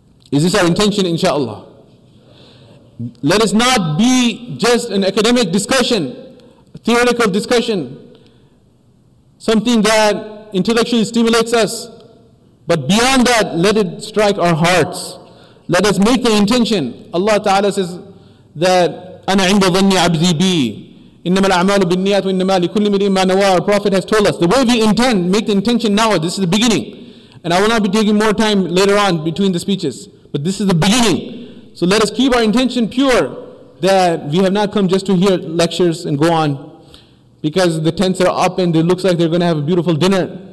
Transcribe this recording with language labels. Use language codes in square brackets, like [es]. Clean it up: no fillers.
[en] Is this our intention, inshallah? Let us not be just an academic discussion, theoretical discussion, something that intellectually stimulates us, but beyond that, let it strike our hearts. Let us make the intention. [ar] Allah Ta'ala says that أَنَا عِنْدَ ظَنِّ عَبْدِي بِي إِنَّمَا الْأَعْمَالُ بِالنِّيَاتِ وَإِنَّمَا لِكُلِّ مِرِئٍ مَا نَوَى. [en] Our Prophet has told us the way we intend, make the intention now. This is the beginning, and I will not be taking more time later on between the speeches, but this is the beginning. So let us keep our intention pure, that we have not come just to hear lectures and go on, because the tents are up and it looks like they're going to have a beautiful dinner.